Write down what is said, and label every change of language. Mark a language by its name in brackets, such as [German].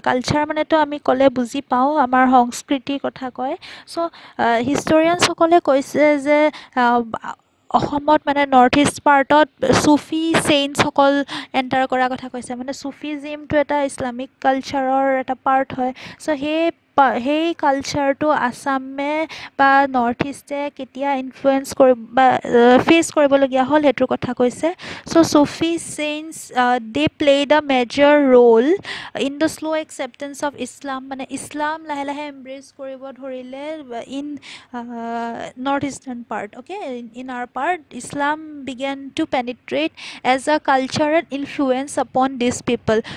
[Assamese] Culture মানেতো আমি ক'লে বুজি পাওঁ, আমাৰ সংস্কৃতিৰ কথা কয়। ছ' হিষ্টৰিয়ানসকলে কৈছে যে অসমত, মানে নৰ্থ ইষ্ট পাৰ্টত চুফী ছেইণ্টসকল এণ্টাৰ কৰাৰ কথা কৈছে, মানে চুফিজিমটো এটা ইছলামিক কালচাৰৰ এটা পাৰ্ট হয়। ছ' সেই সেই কালচারটো আসামে বা নর্থ ইস্টে কেতিয়া ইনফ্লুয়েন্স কৰি বা ফেস কৰিবলগীয়া হ'ল সেইটোৰ কথা কৈছে। [English] so Sufi saints they play the major role in the slow acceptance of Islam, [Assamese] মানে ইছলাম লাহে লাহে এম্ব্ৰেচ কৰিব ধৰিলে [English] In north eastern part, okay, in our part Islam began to penetrate as a cultural influence upon this people.